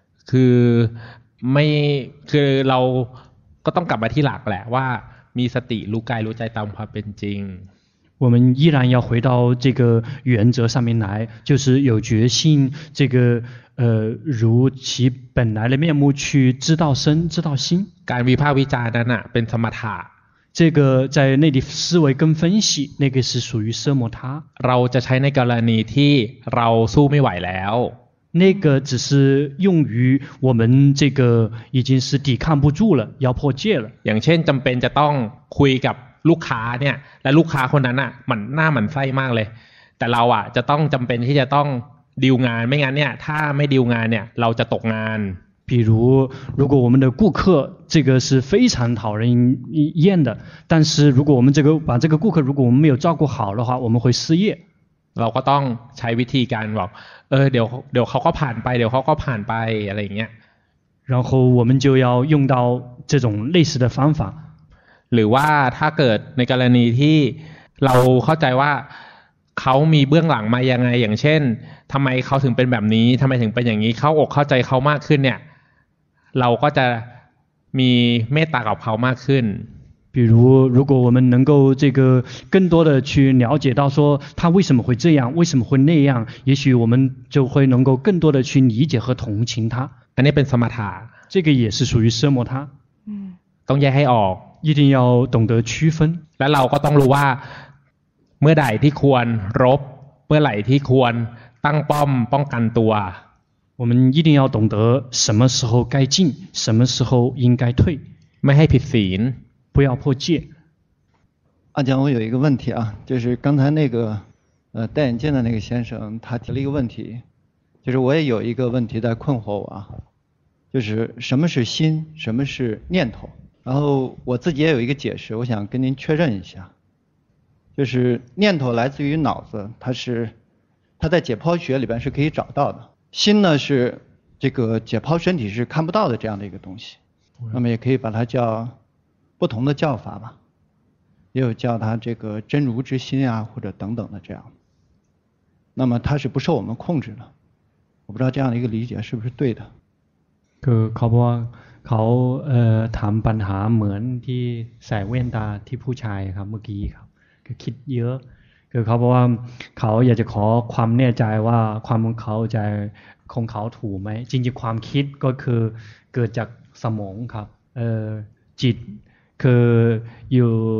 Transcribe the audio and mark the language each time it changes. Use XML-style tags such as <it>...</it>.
<th>คือไม่คือเราก็ต้องกลับมาที่หลักแหละว่ามีสติรู้กายรู้ใจตามความเป็นจริง</th> <zh>我们依然要回到这个原则上面来就是有决心这个如其本来的面目去知道身知道心</zh> <th>การวิพากษ์วิจารณ์นั้นเป็นสมถะ</th> <zh>这个在内地思维跟分析那个是属于奢摩他</zh> <th>เราจะใช้ในกรณีที่เราสู้ไม่ไหวแล้ว</th> <zh>那个只是用于我们这个已经是抵抗不住了要破戒了</zh> <th>อย่างเช่นจำเป็นจะต้องคุยกับลูกค้าเนี่ยและลูกค้าคนนั้นน่ะมันหน้ามันไส้มากเลยแต่เราอ่ะจะต้องจำเป็นที่จะต้องดีลงานไม่งั้นเนี่ยถ้าไม่ดีลงานเนี่ยเราจะตกงาน</th> <zh>比如如果我们的顾客这个是非常讨人厌的但是如果我们这个把这个顾客如果我们没有照顾好的话我们会失业</zh> <th>เราก็ต้องใช้วิธีการบอกเดี๋ยวเขาก็ผ่านไปเดี๋ยวเขาก็ผ่านไปอะไรอย่างเงี้ย</th> <zh>然后我们就要用到这种类似的方法</zh> <th>หรือว่าถ้าเกิดในกรณีที่เราเข้าใจว่าเขามีเบื้องหลังมายังไงอย่างเช่นทำไมเขาถึงเป็นแบบนี้ทำไมถึงเป็นอย่างนี้เข้าอกเข้าใจเขามากขึ้นเนี่ยเราก็จะมีเมตตากับเขามากขึ้น</th> <zh>比如如果我们能够这个更多的去了解到说他为什么会这样为什么会那样也许我们就会能够更多的去理解和同情他</zh> <th>อันนี้เป็นสมถะ</th> <zh>这个也是属于奢摩他</zh> <th>ต้องแยกให้ออก</th> <zh>一定要懂得区分</zh> <th>และเราก็ต้องรู้ว่าเมื่อใดที่ควรรบเมื่อไหร่ที่ควรตั้งป้อมป้องกันตัว</th> <zh>我们一定要懂得什么时候该进什么时候应该退</zh> <th>ไม่ให้ผิดศีล</th> <zh>不要破戒阿江我有一个问题啊就是刚才那个戴眼镜的那个先生他提了一个问题就是我也有一个问题在困惑我啊就是什么是心什么是念头然后我自己也有一个解释我想跟您确认一下就是念头来自于脑子它在解剖学里边是可以找到的心呢是这个解剖身体是看不到的这样的一个东西那么也可以把它叫不同的叫法吧也有叫它这个真如之心啊或者等等的这样那么它是不受我们控制的我不知道这样的一个理解是不是对的</zh> <th>คือเขาบอกเขาถามปัญหาเหมือนที่ใส่แว่นตาที่ผู้ชายครับเมื่อกี้ครับคือคิดเยอะคือเขาบอกว่าเขาอยากจะขอความแน่ใจว่าความของเขาจะของเขาถูกไหมจริงๆความคิดก็คือเกิดจากสมองครับจิตคืออยู่</th>